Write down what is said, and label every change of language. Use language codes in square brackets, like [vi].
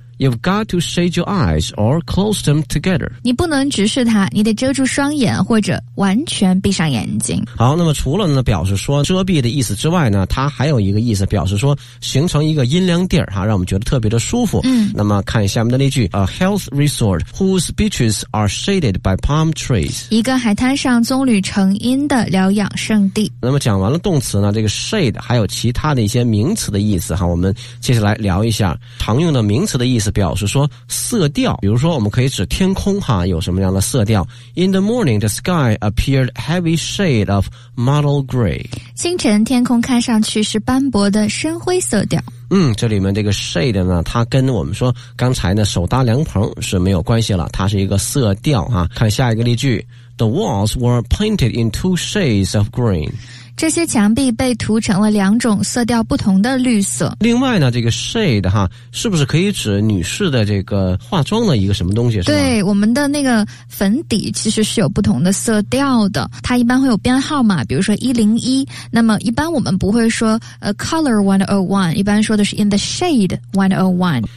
[en] You've got to shade your eyes or close them together. [zh] 你不能直视它，你得遮住双眼或者完全闭上眼睛。好，那么除了呢表示说遮蔽的意思之外呢，它还有一个意思表示说形成一个阴凉地儿哈，让我们觉得特别的舒服。那么看下面的那句， [en] A health resort whose beaches are shaded by palm trees. [zh] 一个海滩上棕榈成荫的疗养圣地。那么讲完了动词呢，这个 shade 还有其他的一些名词的意思哈，我们接下来聊一下常用的名词的意思，表示说色调。比如说我们可以指天空哈有什么样的色调， [en] In the morning the sky appeared heavy shade of mottled gray. [zh] 清晨天空看上去是斑驳的深灰色调。这里面这个 shade 呢它跟我们说刚才呢手搭凉棚是没有关系了，它是一个色调哈。看下一个例句， [en] The walls were painted in two shades of green. [zh] 这些墙壁被涂成了两种色调不同的绿色。另外呢这个 shade 哈是不是可以指女士的这个化妆的一个什么东西，是吧？对，我们的那个粉底其实是有不同的色调的，它一般会有编号嘛，比如说101，那么一般我们不会说 [en] color 101， [zh] 一般说的是 [en] in the shade 101。